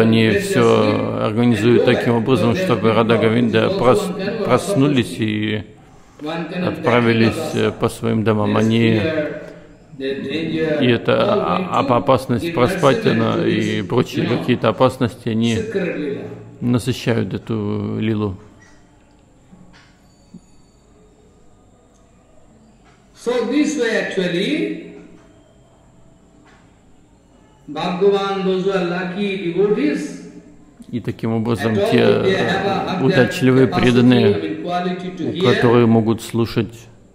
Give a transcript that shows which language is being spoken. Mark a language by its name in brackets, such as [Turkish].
[Russian] Они все организуют таким образом, чтобы Рада Говинда проснулись и отправились по своим домам. Они, и это опасность проспать, она, и прочие какие-то опасности, они насыщают эту лилу. [English] So this way actually, Bhagavan, those who are lucky devotees. [Russian] И таким образом те удачливые преданные, которые могут слушать.